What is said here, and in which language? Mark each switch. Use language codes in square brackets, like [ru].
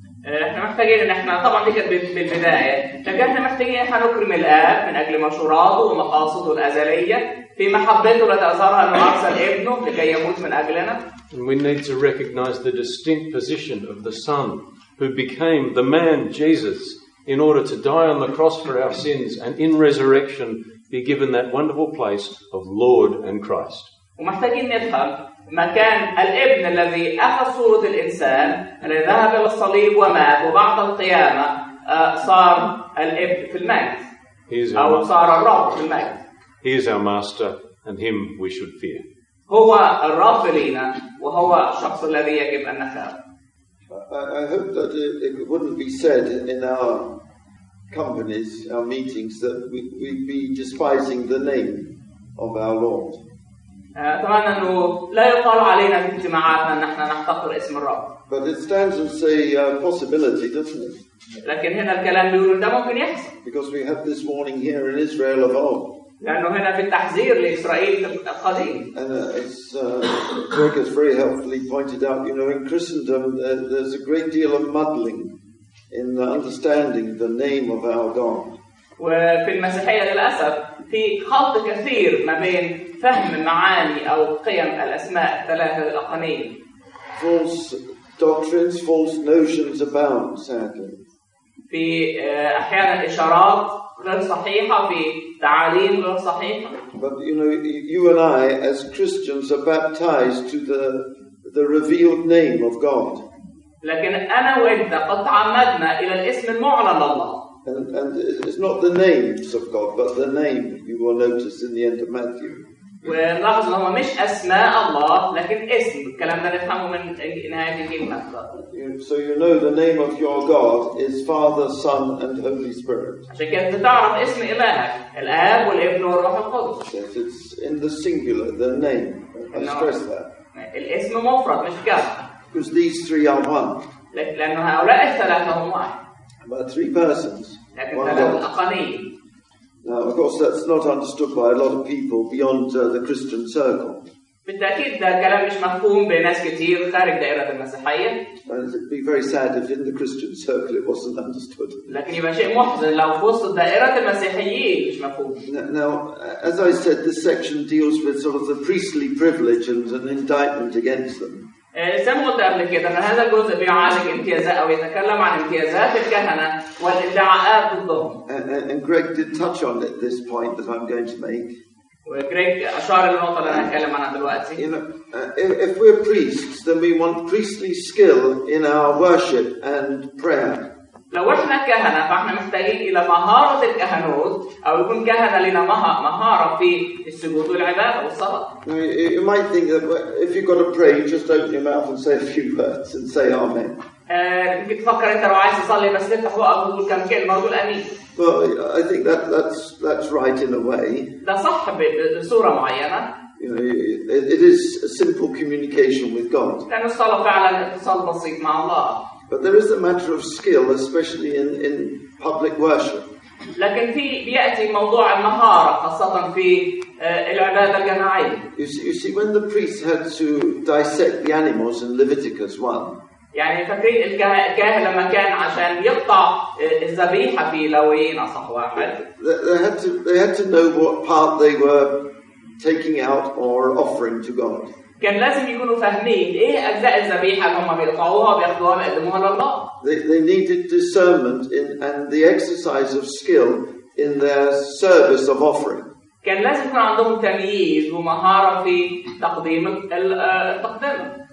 [ar] احنا محتاجين ان احنا طبعا دي كانت بالبداية، لكن احنا محتاجين ان احنا نكرم الآب من اجل مشوراته ومقاصده الأزلية في محبته التي أظهرها انه أرسل ابنه لكي يموت من اجلنا. [en] And we need to recognize the distinct position of the Son who became the man Jesus in order to die on the cross for our sins and in resurrection be given that wonderful place of Lord and Christ. [ar] ومحتاجين نفهم مكان الابن الذي أخذ صورة الإنسان الذي ذهب إلى الصليب ومات وبعد القيامة صار الابن في المجد أو صار الرب في المجد. [en] He is our master and him we should fear. [ar] هو الرب لينا وهو الشخص الذي يجب أن نخاف. [en] I hope that it wouldn't be said in our companies, our meetings, that we'd be despising the name of our Lord. [ar] أتمنى أنه لا يقال علينا في اجتماعاتنا أن نحن نحتقر اسم الرب. [en] But it stands and say possibility, doesn't it? [ar] لكن هنا الكلام بيقول ده ممكن يحصل. [en] Because we have this warning here in Israel of old. [ar] لأنه هنا في التحذير لإسرائيل القديم. [en] And as Greg has very helpfully pointed out, you know, in Christendom there's a great deal of muddling in understanding the name of our God. [ar] وفي المسيحية للأسف في خلط كثير ما بين فهم المعاني أو قيم الأسماء الثلاثة الأقانيم. [en] False doctrines, false notions abound, sadly. [ar] في أحيانا إشارات غير صحيحة في تعاليم غير صحيحة. [en] But you know, you and I, as Christians, are baptized to the revealed name of God. [ar] لكن أنا وأنت قد تعمدنا إلى الاسم المعلن لله. [en] And it's not the names of God, but the name you will notice in the end of Matthew. [ar] ونلاحظ أنه مش أسماء الله لكن اسم الكلام ده نفهمه من نهاية الجيل مثلا. [en] So you know the name of your God is Father, Son, and Holy Spirit. [ar] عشان كده تعرف اسم إلهك الآب والابن والروح القدس. [en] Yes, it's in the singular, the name. I stress that. [ar] الاسم مفرد مش كذا. [en] Because these three are one. [ar] لأن هؤلاء الثلاثة هم واحد. [en] But three persons. [ar] لكن ثلاثة أقانيم. [en] Now, of course, that's not understood by a lot of people beyond the Christian circle. [ar] بالتأكيد ده كلام مش مفهوم بناس كتير خارج دائرة المسيحية. [en] It'd be very sad if in the Christian circle it wasn't understood. [ar] لكن يبقى شيء محزن لو في وسط دائرة المسيحيين مش مفهوم. [en] Now, as I said, this section deals with sort of the priestly privilege and an indictment against them. [ar] سمعت قبل كده أن هذا الجزء بيعالج امتيازات أو يتكلم عن امتيازات الكهنة والادعاءات ضدهم. [en] And Greg did touch on it, this point that I'm going to make. [ar] وGreg أشار للنقطة اللي أنا هتكلم عنها دلوقتي. [en] You know, if we're priests, then we want priestly skill in our worship and prayer. [ar] لو إحنا كهنة فإحنا محتاجين إلى مهارة الكهنوت أو يكون كهنة لنا مهارة في السجود والعبادة والصلاة. [en] You might think that if you've got to pray, you just open your mouth and say a few words and say amen. [ar] تفكر أنت لو عايز تصلي بس تفتح بقك وتقول كم كلمة وتقول أمين. [en] Well, I think that's right in a way. [ar] ده صح بصورة معينة. [en] You know, it is a simple communication with God. [ar] لأن الصلاة فعلا اتصال بسيط مع الله. [en] But there is a matter of skill, especially in public worship. [ar] لكن في بيأتي موضوع المهارة خاصة في العبادة الجماعية. [en] You see, when the priests had to dissect the animals in Leviticus 1. [ar] يعني فاكرين الكاهن لما كان عشان يقطع الذبيحة في لويين أصح واحد. [en] They had to know what part they were taking out or offering to God. [ar] كان لازم يكونوا فاهمين ايه اجزاء الذبيحه اللي هم بيقطعوها بياخدوها بيقدموها لله. [en] They needed discernment in and the exercise of skill in their service of offering. [ar] كان لازم يكون عندهم تمييز ومهاره في تقديم التقدمه.